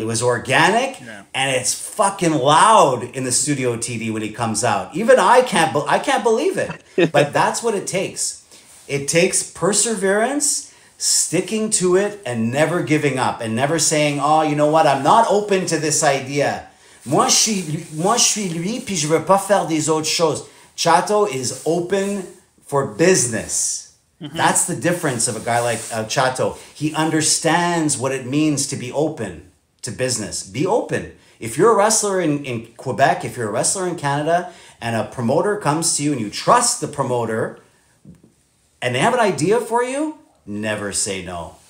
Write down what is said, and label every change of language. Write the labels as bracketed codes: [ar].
[en] It was organic, yeah. And it's fucking loud in the studio TV when he comes out. Even I can't believe it, but that's what it takes. It takes perseverance, sticking to it, and never giving up, and never saying, oh, you know what, I'm not open to this idea. [fr] Moi, je suis lui, puis je veux pas faire des autres choses. [en] Chato is open for business. Mm-hmm. That's the difference of a guy like Chato. He understands what it means to be open to business. Be open. If you're a wrestler in Quebec, if you're a wrestler in Canada, and a promoter comes to you and you trust the promoter, and they have an idea for you, never say no.